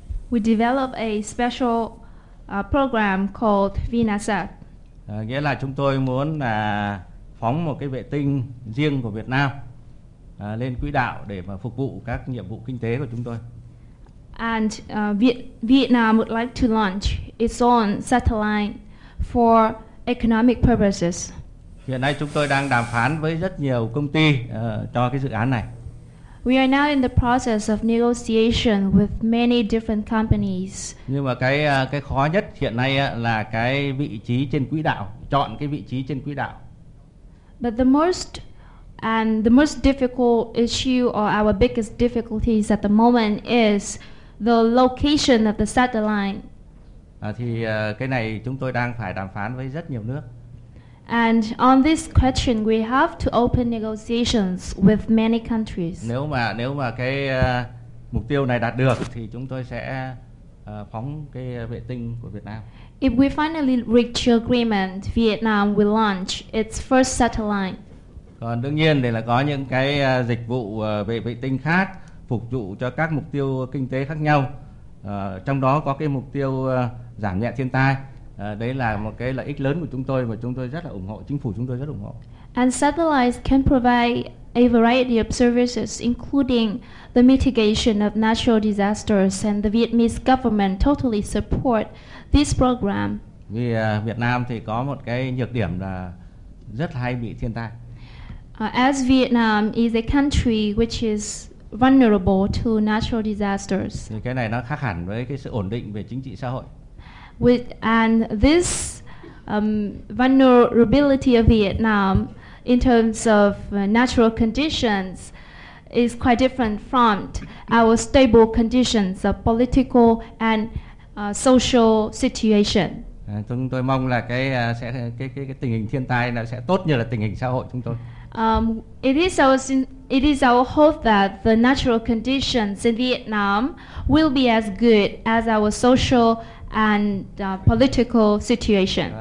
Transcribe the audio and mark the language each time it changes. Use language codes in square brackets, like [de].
[en] We develop a special program called Vinasat. [vi] Nghĩa là chúng tôi muốn là phóng một cái vệ tinh riêng của Việt Nam lên quỹ đạo để mà phục vụ các nhiệm vụ kinh tế của chúng tôi. [en] And Vietnam would like to launch its own satellite for economic purposes. [vi] Hiện nay chúng tôi đang đàm phán với rất nhiều công ty cho cái dự án này. [en] We are now in the process of negotiation with many different companies. [vi] Nhưng mà cái khó nhất hiện nay là cái vị trí trên quỹ đạo, chọn cái vị trí trên quỹ đạo. [en] But the most difficult issue or our biggest difficulties at the moment is the location of the satellite. [vi] Cái này chúng tôi đang phải đàm phán với rất nhiều nước. [en] And on this question we have to open negotiations with many countries. [vi] Nếu mà cái mục tiêu này đạt được thì chúng tôi sẽ phóng cái vệ tinh của Việt Nam. [en] If we finally reach agreement, Vietnam will launch its first satellite. [vi] Còn đương nhiên thì là có những cái dịch vụ về vệ tinh khác phục vụ cho các mục tiêu kinh tế khác nhau. Trong đó có cái mục tiêu giảm nhẹ thiên tai. Đấy là một cái lợi ích lớn của chúng tôi và chúng tôi rất là ủng hộ, chính phủ chúng tôi rất ủng hộ. [en] And satellites can provide a variety of services including the mitigation of natural disasters, and the Vietnamese government totally support this program. [vi] Vì Việt Nam thì có một cái nhược điểm là rất hay bị thiên tai. [en] As Vietnam is a country which is vulnerable to natural disasters. [vi] Thì cái này nó khác hẳn với cái sự ổn định về chính trị xã hội. [en] And this vulnerability of Vietnam in terms of natural conditions is quite different from our stable conditions of political and social situation. [vi] Chúng tôi mong là cái tình hình thiên tai sẽ tốt như là tình hình xã hội chúng tôi. [en] It is our hope that the natural conditions in Vietnam will be as good as our social and political situation.